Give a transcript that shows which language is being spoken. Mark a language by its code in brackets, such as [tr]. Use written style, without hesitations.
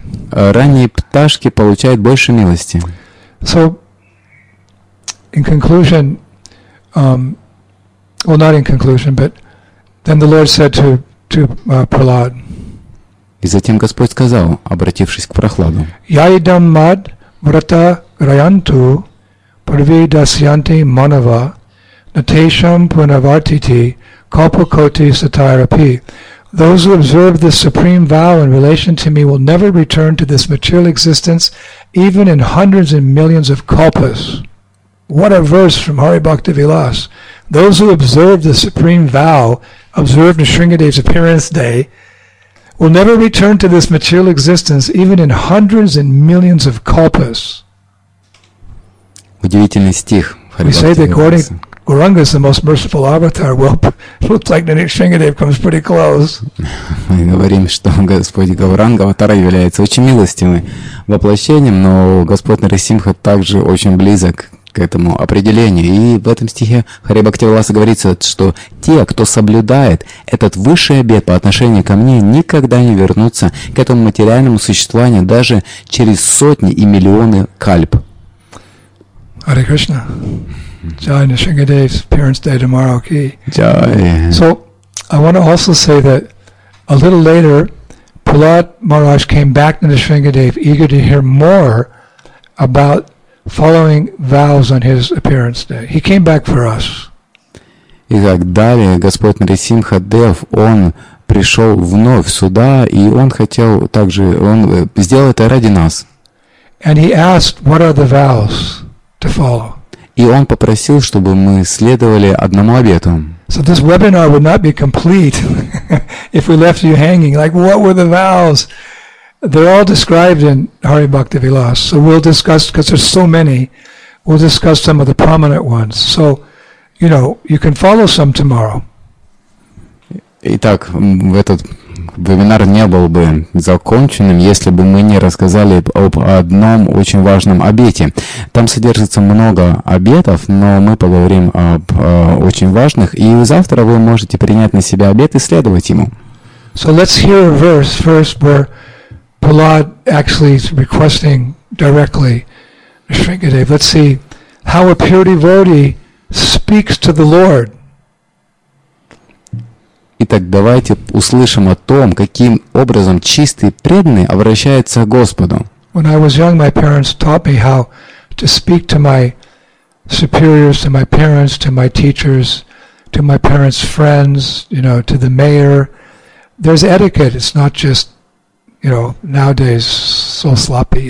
[ru] Ранние пташки получают больше милости. [en] So, in conclusion, well, not in conclusion, but then the Lord said to Prahlad. [ru] И затем Господь сказал, обратившись к Прохладу. [sa] Яидам мад врата раянту прави дасьянти манава натешам пунавартити капокоти сатайрапи. [en] Those who observe this supreme vow in relation to me will never return to this material existence even in hundreds and millions of kalpas. What a verse from Hari Bhakti Vilas. Those who observe the supreme vow, observe Nisringadev's appearance day, will never return to this material existence, even in hundreds and millions of kalpas. [ru] Удивительный стих. [en] We say that according to Gauranga, the most merciful avatar, well, looks like Nisringadev comes pretty close. [ru] Мы говорим, что Господь Гауранга аватара является очень милостивым воплощением, но Господь Нарисимха также очень близок к этому определению. И в этом стихе Хари Бхакти Виласа говорится, что те, кто соблюдает этот высший обет по отношению ко мне, никогда не вернутся к этому материальному существованию даже через сотни и миллионы кальп. [en] Hare Krishna. Jai Nisringadev's appearance day tomorrow, okay. Jai. So, I want to also say that a little later, Prahlad Maharaj came back to Nisringadev eager to hear more about following vows on his appearance day. He came back for us. [ru] Итак, далее Господь Нарисимха Дев, он пришел вновь сюда, и он хотел также, он сделал это ради нас. [en] And he asked, what are the vows to follow? [ru] И он попросил, чтобы мы следовали одному обету. [en] So this webinar would not be complete if we left you hanging. Like, what were the vows? They're all described in Hari Bhakti Vilas. So we'll discuss, because there's so many, we'll discuss some of the prominent ones. So, you know, you can follow some tomorrow. [ru] Итак, этот вебинар не был бы законченным, если бы мы не рассказали об одном очень важном обете. Там содержится много обетов, но мы поговорим об очень важных, и завтра вы можете принять на себя обет и следовать ему. [en] So let's hear a verse first where Prahlad actually is requesting directly Nisringadev. Let's see how a pure devotee speaks to the Lord. [ru] Итак, давайте услышим о том, каким образом чистый преданный обращается к Господу. [en] When I was young, my parents taught me how to speak to my superiors, to my parents, to my teachers, to my parents' friends, you know, to the mayor. There's etiquette. It's not just, you know, nowadays so sloppy.